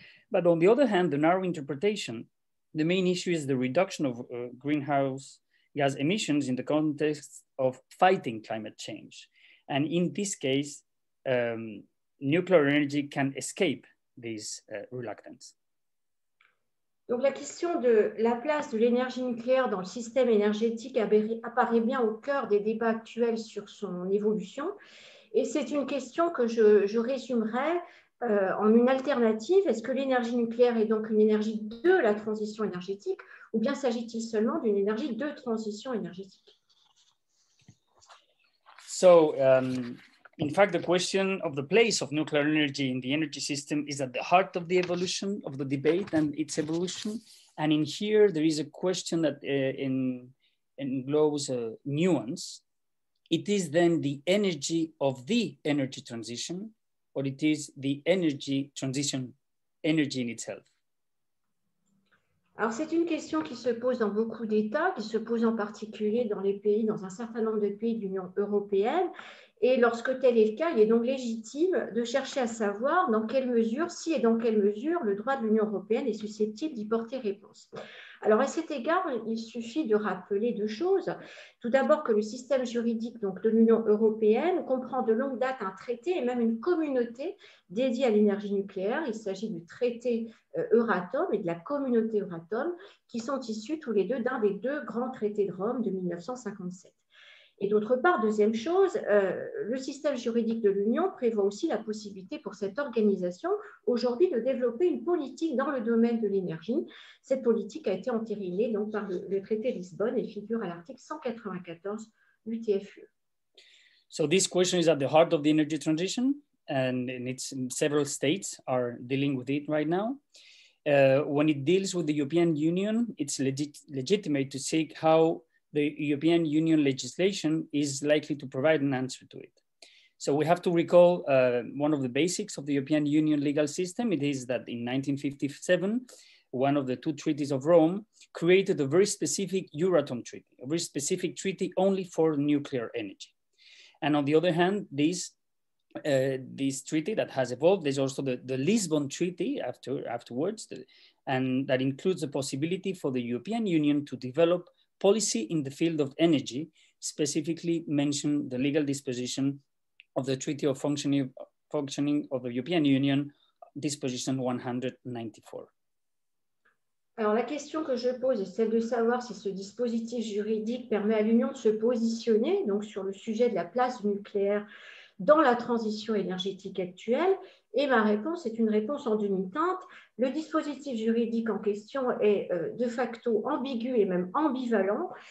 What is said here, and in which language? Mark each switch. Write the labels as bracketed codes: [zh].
[en] But on the other hand, the narrow interpretation, the main issue is the reduction of greenhouse gas emissions in the context of fighting climate change. And in this case, nuclear energy can escape this reluctance. [fr] Donc la question de la place de l'énergie nucléaire dans le système énergétique apparaît bien au cœur des débats actuels sur son évolution. Et c'est une question que je résumerai en une alternative. Est-ce que l'énergie nucléaire est donc une énergie de la transition énergétique ou bien s'agit-il seulement d'une énergie de transition énergétique? [en] So, in fact, the question of the place of nuclear energy in the energy system is at the heart of the evolution of the debate and its evolution. And in here, there is a question that englobes a nuance. It is then the energy of the energy transition, or it is the energy transition, energy in itself? [fr] Alors, c'est une question qui se pose dans beaucoup d'États, qui se pose en particulier dans les pays, dans un certain nombre de pays de l'Union européenne. Et lorsque tel est le cas, il est donc légitime de chercher à savoir dans quelle mesure, si et dans quelle mesure, le droit de l'Union européenne est susceptible d'y porter réponse. Alors, à cet égard, il suffit de rappeler deux choses. Tout d'abord, que le système juridique donc, de l'Union européenne comprend de longue date un traité et même une communauté dédiée à l'énergie nucléaire. Il s'agit du traité Euratom et de la communauté Euratom, qui sont issus tous les deux d'un des deux grands traités de Rome de 1957. Et d'autre part, deuxième chose, le système juridique de l'Union prévoit aussi la possibilité pour cette organisation aujourd'hui de développer une politique dans le domaine de l'énergie. Cette politique a été entérinée donc par le traité de Lisbonne et figure à l'article 194 du TFUE. [en] So this question is at the heart of the energy transition, and it's several states are dealing with it right now. When it deals with the European Union, it's legitimate to seek how the European Union legislation is likely to provide an answer to it. So we have to recall one of the basics of the European Union legal system. It is that in 1957, one of the two treaties of Rome created a very specific Euratom treaty, a very specific treaty only for nuclear energy. And on the other hand, this treaty that has evolved, there's also the Lisbon Treaty afterwards, and that includes the possibility for the European Union to develop policy in the field of energy, specifically mention the legal disposition of the Treaty of Functioning of the European Union, disposition 194. [fr] Alors la question que je pose est celle de savoir si ce dispositif juridique permet à l'Union de se positionner donc sur le sujet de la place nucléaire dans la transition énergétique actuelle. Et ma réponse est une réponse en demi-teinte. Le dispositif juridique en question est de facto ambigu et même ambivalent.